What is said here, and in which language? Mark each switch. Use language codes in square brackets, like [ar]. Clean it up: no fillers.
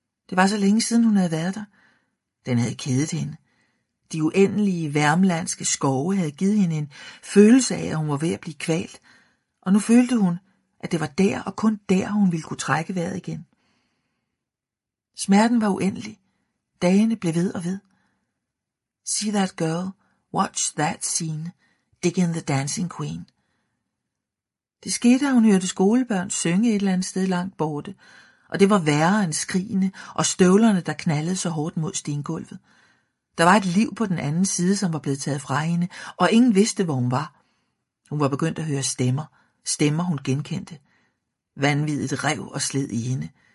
[da] Det var så længe siden, hun havde været der. Den havde kedet hende. De uendelige værmlandske skove havde givet hende en følelse af, at hun var ved at blive kvalt, og nu følte hun, at det var der og kun der, hun ville kunne trække vejret igen. Smerten var uendelig. Dagene blev ved og ved. [en] See that girl, watch that scene, dig in the dancing queen. [da] Det skete, at hun hørte skolebørn synge et eller andet sted langt borte, og det var værre end skrigene og støvlerne, der knaldede så hårdt mod stengulvet. Der var et liv på den anden side, som var blevet taget fra hende, og ingen vidste, hvor hun var. Hun var begyndt at høre stemmer, stemmer hun genkendte. Vanvittigt rev og sled i hende.